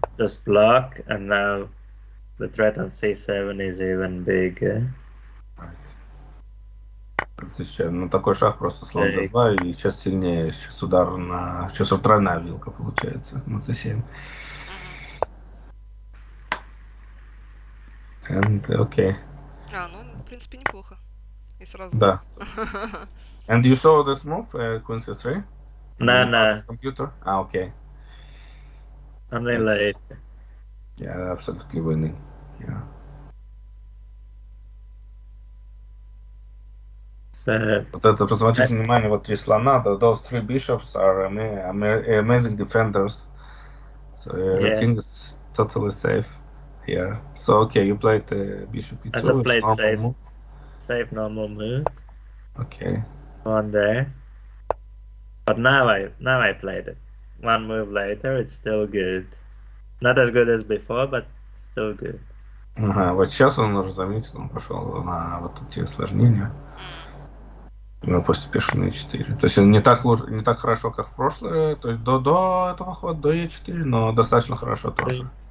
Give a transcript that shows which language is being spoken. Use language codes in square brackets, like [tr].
[en] Just block, and now the threat on c7 is even bigger. Right. [ru] Ну такой шаг просто слон d2, и сейчас сильнее, сейчас удар на... Сейчас тройная вилка получается на c7. [en] And okay. [ru] А, ну, в принципе, неплохо. И сразу. [en] Да. And you saw this move, Quincy 3? No, no. Computer? Ah, okay. Only late. Yeah, absolutely winning. Yeah. [ru] Вот это обратите внимание, вот три слона, [en] those three bishops are amazing defenders. So your king is totally safe. Yeah. So okay, you played the bishop e2. I just played safe normal move. Okay. One there. But now I played it. One move later, it's still good. Not as good as before, but still good. [ru] Ага, вот сейчас он уже заметил, он пошел на вот эти осложнения. Ну, после пешка на e4. То есть он не так хорошо, как в прошлое. То есть до этого хода, до e4, но достаточно хорошо тоже.